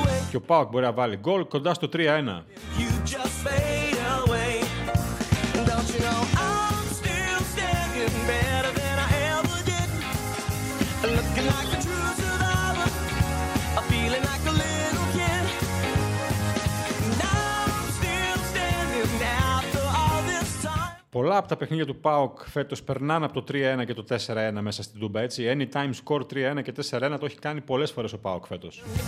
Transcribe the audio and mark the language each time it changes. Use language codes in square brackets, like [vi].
[el] Και ο ΠΑΟΚ μπορεί να βάλει γκολ κοντά στο 3-1. [en] You just fade away. Don't you know I'm still standing better than I ever did. Looking like a true survivor. I'm feeling like a little kid. Now I'm still standing after all this time. [el] Πολλά από τα παιχνίδια του ΠΑΟΚ φέτος περνάνε από το 3-1 και το 4-1 μέσα στην Τούμπα, έτσι. [en] Anytime score [el] 3-1 και 4-1 το έχει κάνει πολλές φορές ο ΠΑΟΚ φέτος.